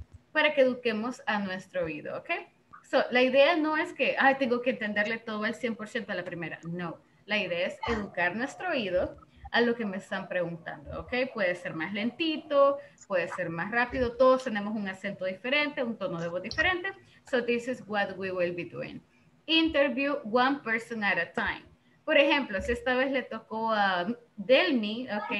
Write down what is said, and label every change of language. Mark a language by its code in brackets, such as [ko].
[es] Para que eduquemos a nuestro oído, ¿ok? So, la idea no es que, tengo que entenderle todo al 100% a la primera. No, la idea es educar nuestro oído a lo que me están preguntando, ¿ok? Puede ser más lentito, puede ser más rápido. Todos tenemos un acento diferente, un tono de voz diferente. [en] So, this is what we will be doing. Interview one person at a time. [es] Por ejemplo, si esta vez le tocó a Delmi, ¿ok?